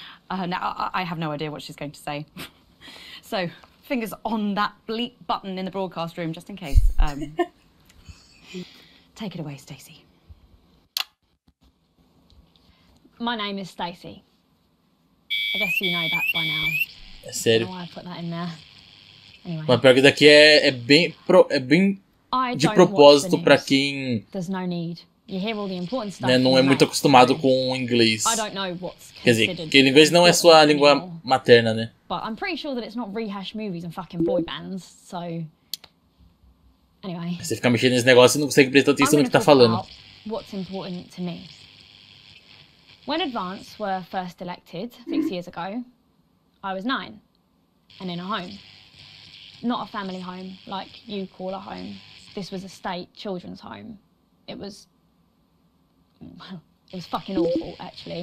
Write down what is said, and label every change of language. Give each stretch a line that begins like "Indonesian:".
English: Now, I have no idea what she's going to say. So, fingers on that bleep button in the broadcast room, just in case. Take it away, Stacey. My name is Stacey. I guess you know that by now.
Portuguese: É sério.
English: I don't know why I put that in there. Anyway.
Portuguese: Mas pior que daqui é bem de propósito pra quem...
English: There's no need. You hear all the important stuff,
Portuguese: né, não é muito acostumado com o inglês.
English: I don't know what's considered.
Portuguese: Quer dizer, que o inglês não é sua língua materna, né?
English: But I'm pretty sure that it's not rehash movies and fucking boy bands, so... Anyway.
Portuguese: Você fica mexendo nesse negócio e não consegue prestar atenção no que tá falando.
English: What's important to me. When Advance were first elected, 6 years ago, I was 9. And in a home. Not a family home, like you call a home. This was a state children's home. It was... Well, it was fucking awful, actually.